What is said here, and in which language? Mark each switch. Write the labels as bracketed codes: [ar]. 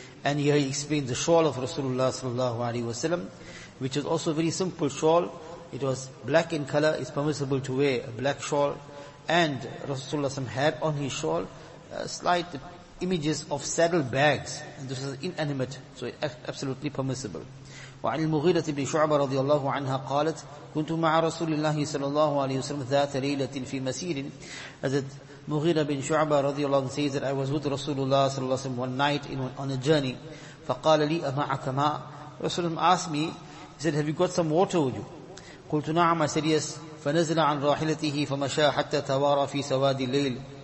[en] And here he explains the shawl of Rasulullah sallallahu alaihi wasallam, which is also a very simple shawl. It was black in color. It's permissible to wear a black shawl. And Rasulullah sallam had on his shawl slight images of saddle bags. And this is inanimate, so absolutely permissible. [ar] وعن المغيرة بن شعبة رضي الله عنها قالت كنت مع رسول الله صلى الله عليه وسلم ذات ليلة في مسير. [en] Mughira bin Shu'bah radiallahu anhu says that I was with Rasulullah sallallahu alayhi wa sallam one night on a journey. [ar] فَقَالَ لِي أَمَعَكَ مَا. [en] Rasulullah asked me, he said, have you got some water with you? [ar] قُلْتُ نَعَمَ. [en] I said yes. [ar] فَنَزْلَ عَنْ رَاحِلَتِهِ فَمَشَى حَتَّى تَوَارَ فِي سَوَادِ اللَّيْلِ.